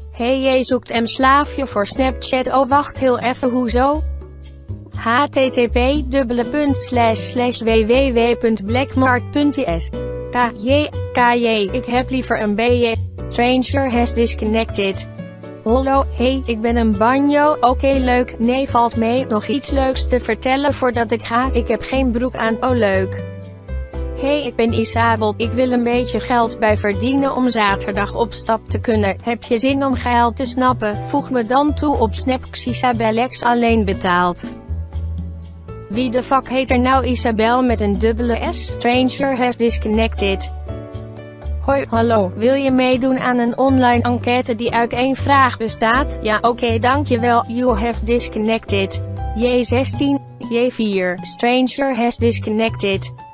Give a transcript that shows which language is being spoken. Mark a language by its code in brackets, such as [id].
[nl] Hey, jee zoekt m slaafje voor Snapchat. Oh, wacht heel even, hoezo? http://www.blackmark.is KJ, ik heb liever een BJ. [en] Stranger has disconnected. [nl] Hallo, hey, ik ben een banjo. Oké, leuk, nee, valt mee. Nog iets leuks te vertellen voordat ik ga. Ik heb geen broek aan, oh leuk. Hey, ik ben Isabel. Ik wil een beetje geld bij verdienen om zaterdag op stap te kunnen. Heb je zin om geld te snappen? Voeg me dan toe op Snapx Isabelx alleen betaald. Wie de fuck heet er nou Isabel met een dubbele S? [en] Stranger has disconnected. [nl] Hoi, hallo, wil je meedoen aan een online enquête die uit één vraag bestaat? Ja, oké, dankjewel, [en] you have disconnected. J16, J4, Stranger has disconnected.